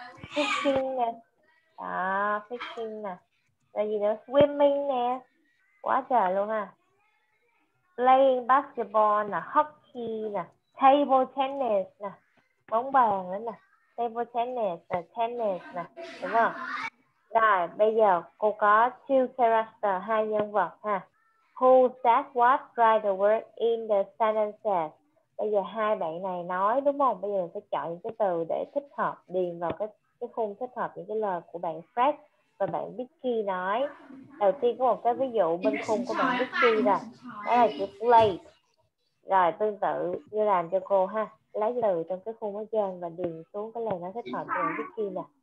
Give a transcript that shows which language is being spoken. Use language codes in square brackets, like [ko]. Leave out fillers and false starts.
[vi] Fishing nè. Đó, fishing nè. Rồi gì nữa, swimming nè. Quá trời luôn ha. Playing basketball nè, hockey nè. Table tennis nè. Bóng bàn nữa nè. Table tennis, tennis nè. Đúng không? Rồi, bây giờ cô có [en] two character, [vi] hai nhân vật ha. [en] Who said what, write the word in the sentences. [vi] Bây giờ hai bạn này nói đúng không? Bây giờ mình sẽ chọn những cái từ để thích hợp, điền vào cái khung thích hợp những cái lời của bạn Fred và bạn Vicky nói. Đầu tiên có một cái ví dụ bên khung của bạn Vicky nè. Đó là chữ play. Rồi tương tự như làm cho cô ha, lấy từ trong cái khung ở trên và điền xuống cái lời nó thích hợp cho cái kia nè.